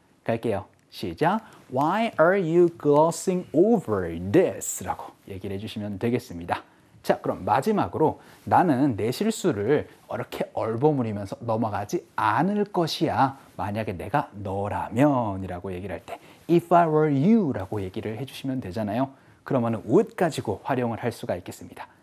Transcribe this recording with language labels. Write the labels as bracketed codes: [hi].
[ko] 갈게요. 시작. [en] Why are you glossing over this? [ko] 라고 얘기를 해주시면 되겠습니다. 자, 그럼 마지막으로 나는 내 실수를 이렇게 얼버무리면서 넘어가지 않을 것이야. 만약에 내가 너라면 이라고 얘기를 할 때 [en] If I were you [ko] 라고 얘기를 해주시면 되잖아요. 그러면 would 가지고 활용을 할 수가 있겠습니다.